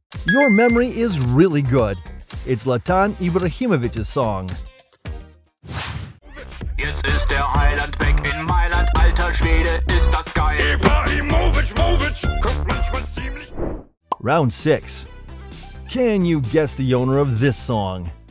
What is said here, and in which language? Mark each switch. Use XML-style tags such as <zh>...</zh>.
<en>Your memory is really good. It's Zlatan Ibrahimovic's song.</en> <de>Jetzt ist der Heiland weg in Mailand, alter Schwede, ist das geil. Ibrahimovic, Movic, kommt manchmal ziemlich.</de> <en>Round 6. Can you guess the owner of this song?</en>